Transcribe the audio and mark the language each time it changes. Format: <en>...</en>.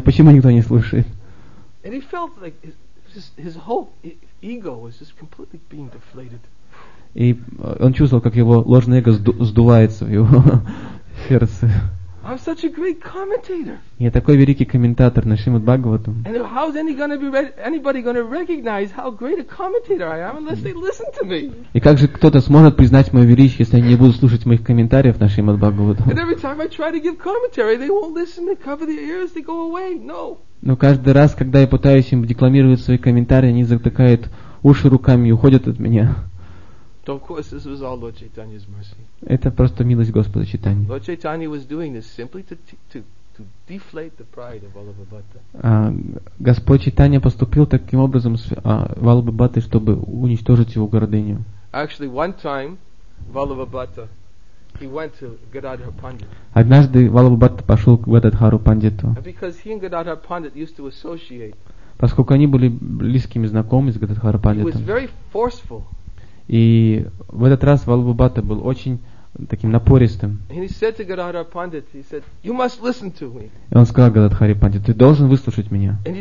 <ru>Почему никто не слушает? И он чувствовал, как его эго просто полностью дефлейтировано. И он чувствовал, как его ложное эго сдувается в его сердце.</ru> <en>I'm such a great commentator.</en> <ru>Я такой великий комментатор на Шримад Бхагаватам.</ru> <en>And how is anybody going to recognize how great a commentator I am unless they listen to me?</en> <ru>И как же кто-то сможет признать мое величие, если они не будут слушать моих комментариев на Шримад Бхагаватам?</ru> <en>And every time I try to give commentary, they won't listen. They cover their ears. They go away. No.</en> <ru>Но каждый раз, когда я пытаюсь им декламировать свои комментарии, они затыкают уши руками и уходят от меня.</ru> <en>So of course, this was all Lord Chaitanya's mercy.</en> <ru>Это просто милость Господа Читания.</ru> <en>Lord Chaitanya was doing this simply to deflate the pride of Valabhabhata.</en> <ru>Господь Читания поступил таким образом с Валабхабхатой, чтобы уничтожить его гордыню.</ru> <en>Actually, one time, Valabhabhata, he went to Gadadhar Pandit.</en> <ru>Однажды Валабхабхата пошел к Гададхару Пандиту.</ru> <en>And because he and Gadadhar Pandit used to associate,</en> <ru>поскольку они были близкими знакомыми с Гададхар Пандитом,</ru> <en>he was very forceful.</en> <ru>И в этот раз Валабхабхата был очень таким напористым. И он сказал Гададхаре Пандит, ты должен выслушать меня.</ru>